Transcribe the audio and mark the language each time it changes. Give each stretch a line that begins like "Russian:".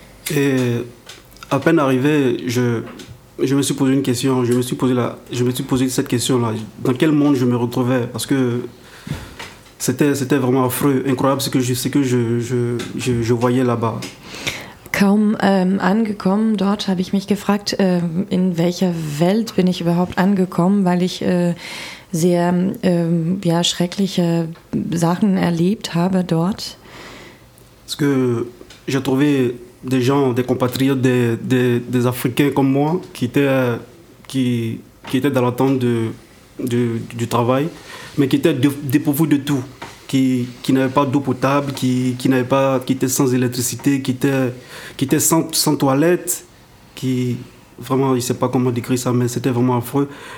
French: Et à peine arrivé, je me suis posé une question, je me suis posé cette question-là. Dans quel monde je me retrouvais? Parce que c'était vraiment affreux, incroyable ce que je voyais là-bas.
German: Kaum angekommen dort, habe ich mich gefragt, in welcher Welt bin ich überhaupt angekommen, weil ich sehr schreckliche Sachen erlebt habe dort.
French: Parce que j'ai trouvé des gens, des compatriotes, des Africains comme moi, qui étaient dans l'attente du travail, mais qui étaient dépourvus de tout, qui n'avaient pas d'eau potable, qui étaient sans électricité, qui étaient sans toilette, qui, vraiment, je ne sais pas comment décrire ça, mais c'était vraiment affreux.